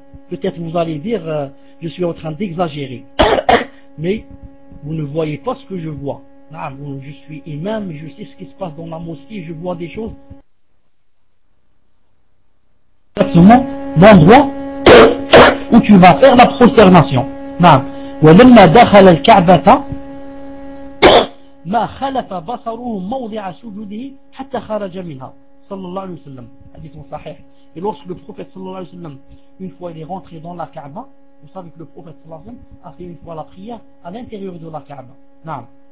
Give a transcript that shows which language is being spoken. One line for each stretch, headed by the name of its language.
French: Peut-être vous allez dire je suis en train d'exagérer, mais vous ne voyez pas ce que je vois. Non, je suis imam, je sais ce qui se passe dans la mosquée, je vois des choses exactement l'endroit où tu vas faire la prosternation. Non.
Arabic: ولما دخل الكعبة ما خلف بصره موضع سجوده حتى خرج منها صلى الله عليه وسلم حديث صحيح.
French: Et lorsque le prophète
Arabic: sallallahu alayhi wa sallam,
French: une fois il est rentré dans la Kaaba, vous savez que le prophète sallallahu alayhi wa sallam a fait une fois la prière à l'intérieur de la Kaaba. Naam.